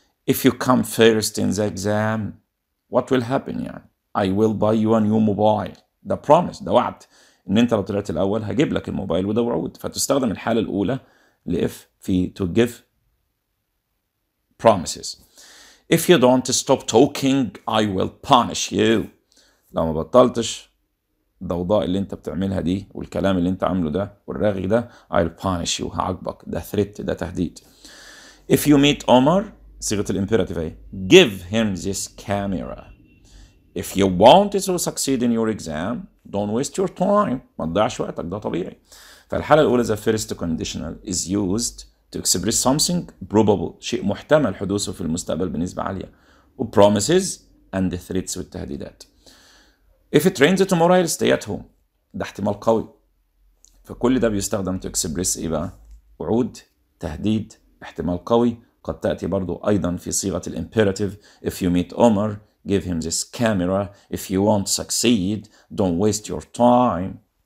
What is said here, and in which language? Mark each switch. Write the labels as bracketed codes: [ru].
[en] if you come first in the exam what will happen يعني I will buy you a new mobile the promise [ar] ده وعد ان انت لو طلعت الاول هجيب لك الموبايل وده وعود فتستخدم الحالة الاولى [en] ل if في to give promises If you don't stop talking, I will punish you. [ar] لو ما بطلتش الضوضاء اللي انت بتعملها دي والكلام اللي انت عامله ده والرغي ده [en] I'll punish you. [ar] هعاقبك. ده threat. ده تهديد. [en] If you meet Omar, [ar] صيغة الامبيراتيف ايه? [en] Give him this camera. If you want to succeed in your exam, don't waste your time. [ar] ما تضيعش وقتك. ده طبيعي. فالحالة الأولى [en] the first conditional is used To express something probable, [ar] شيء محتمل حدوثه في المستقبل بنسبة عالية. [en] و promises and threats [ar] والتهديدات. [en] If it rains tomorrow, I'll stay at home. [ar] ده احتمال قوي. فكل ده بيستخدم [en] to express [ar] إيه بقى؟ وعود, تهديد, احتمال قوي. قد تأتي برضو أيضا في صيغة الامبيراتيف. [en] If you meet Omar, give him this camera. If you won't succeed, don't waste your time.